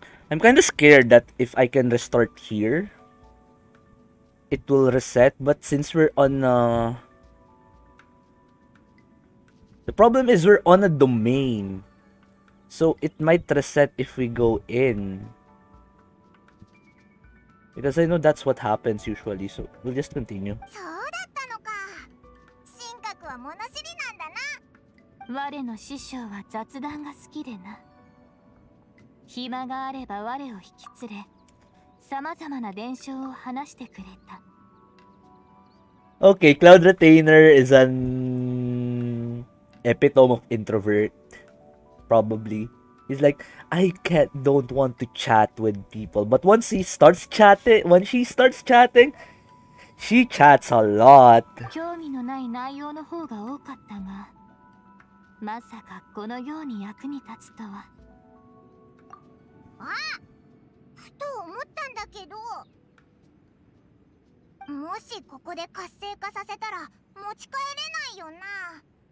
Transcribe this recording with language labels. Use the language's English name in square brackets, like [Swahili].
[English] I'm kind of scared that if I can restart hereit will reset, but since we're on the problem is we're on a domain, so it might reset if we go in, because I know that's what happens usually, so we'll just continue. [Japanese] そうだったのか。神格は物知りなんだな。我の師匠は雑談が好きでな。暇があれば我を引き連れ、様々な伝承を話してくれた。 [English] Okay, Cloud Retainer is an epitome of introvert, probably. He's like, don't want to chat with people. But once he starts chatting, she chats a lot. [Japanese] 興味のない内容の方が多かったが、まさかこのように役に立つとは。あ、ふと思ったんだけど、もしここで活性化させたら持ち帰れないよな。